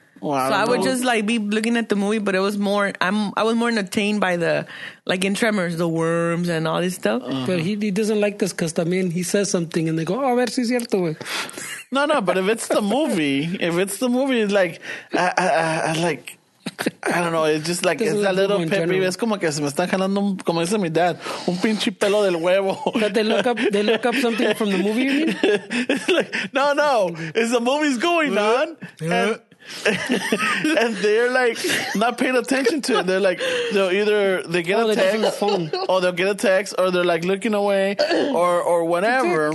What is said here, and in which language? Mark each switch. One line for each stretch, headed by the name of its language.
English: Well, so I would just like be looking at the movie, but it was more, I was more entertained by the, like in Tremors, the worms and all this stuff. Uh-huh. But he doesn't like this because, I mean, he says something and they go, oh,
Spanish: a ver si es cierto, güey.
English: No, no, but if it's the movie, it's like, I don't know. It's just like, it's a little peppy.
Spanish: Es como que se me están jalando, como dice mi dad, un pinche pelo del huevo.
English: That they look up something from the movie, you mean? It's like, no, no. It's the movie's going on. Yeah. And they're like not paying attention to it. They're like, they'll either they get a text or they're like looking away or whatever.